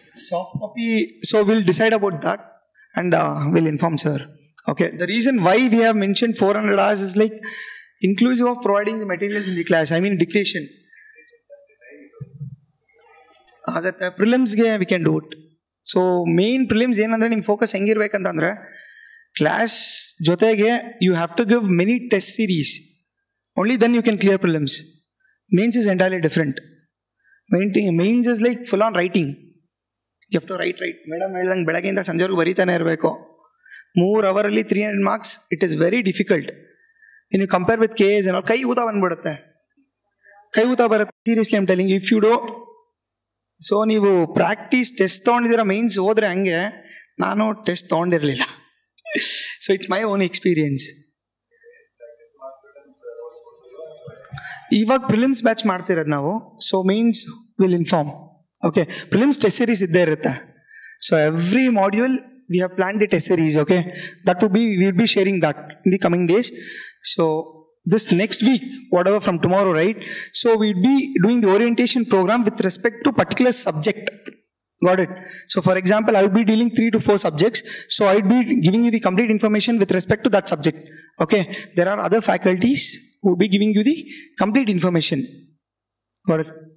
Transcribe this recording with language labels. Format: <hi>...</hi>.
<en>Soft copy, so we'll decide about that and we'll inform sir. Okay, the reason why we have mentioned 400 hours is like inclusive of providing the materials in the class, I mean dictation.</en> <kn>ಆಗತ್ತೆ ಪ್ರಿಲಿಮ್ಸ್ಗೆ</kn> <en>We can do it. So</en> <kn>main prelims ಏನಂದ್ರೆ ನಿಮ್ focus ಹೆಂಗಿರ್ಬೇಕಂತಂದ್ರೆ class ಜೊತೆಗೆ</kn> <en>You have to give many test series, only then you can clear prelims. Mains is entirely different. Mains is like full on writing, you have to write right.</en> <kn>Madam ಹೇಳ್ದಂಗೆ ಬೆಳಗ್ಗೆಯಿಂದ ಸಂಜೆವರೆಗೂ ಬರೀತಾನೆ ಇರಬೇಕು.</kn> <en>3 hours 300 marks, it is very difficult in you compare with K S.</en> <kn>ಏನೋ ಕೈ ಊತ ಬಂದ್ಬಿಡುತ್ತೆ, ಕೈ ಊತ ಬರುತ್ತೆ.</kn> <en>Seriously I'm telling, if you do.</en> <kn>So ನೀವು ಪ್ರಾಕ್ಟೀಸ್ ಟೆಸ್ಟ್ ತೊಗೊಂಡಿದ್ದೀರಾ ಮೀನ್ಸ್ ಹೋದ್ರೆ ಹಂಗೆ. ನಾನು test ತೊಗೊಂಡಿರಲಿಲ್ಲ.</kn> <en>So it's my own experience.</en> <kn>ಇವಾಗ ಪ್ರಿಲಿಮ್ಸ್ ಬ್ಯಾಚ್ ಮಾಡ್ತಿರೋದು ನಾವು.</kn> <en>So means will inform. Okay, prelims test series</en> <kn>ಇದ್ದೇ ಇರುತ್ತೆ.</kn> <en>So every module we have plan the test series. Okay, that would be will be sharing that in the coming days. So this next week, whatever from tomorrow, right? So we'd be doing the orientation program with respect to particular subject. Got it? So for example, I would be dealing 3 to 4 subjects. So I'd be giving you the complete information with respect to that subject. Okay? There are other faculties who would be giving you the complete information. Got it?</en>